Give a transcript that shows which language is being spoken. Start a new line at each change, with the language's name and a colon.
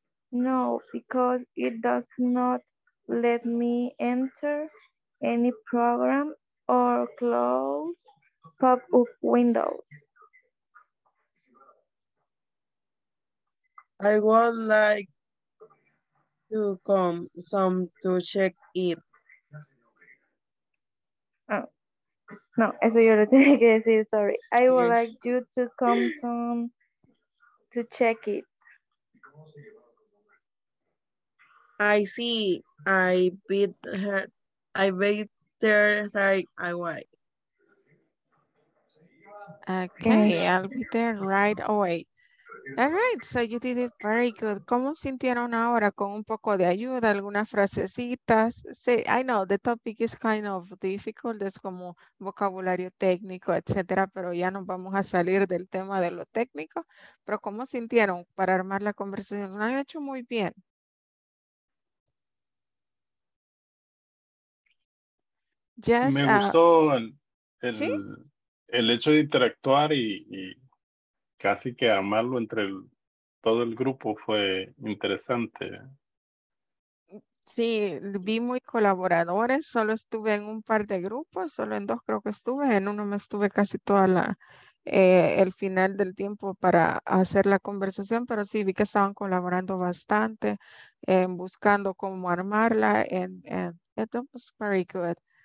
English: No, because it does not let me enter any program or close pop-up windows. I would like to come some to check it.
Spanish: No, eso yo lo tenía que decir, sorry.
English: I would like you to come some to check it. I see. I bet her right away. Okay, I'll be there right away. All right, so you did it very good.
Spanish: ¿Cómo sintieron ahora con un poco de ayuda, algunas frasecitas?
English: See, I know the topic is kind of difficult.
Spanish: Es como vocabulario técnico, etcétera, pero ya nos vamos a salir del tema de lo técnico. Pero ¿cómo sintieron para armar la conversación? Lo han hecho muy bien. Yes, me gustó el hecho de interactuar y casi que amarlo entre todo el grupo fue interesante. Sí, vi muy colaboradores, solo estuve en un par de grupos, solo en dos creo que estuve, en uno me estuve casi toda el final del tiempo para hacer la conversación, pero sí vi que estaban colaborando bastante, buscando cómo armarla,
English: and it was very good.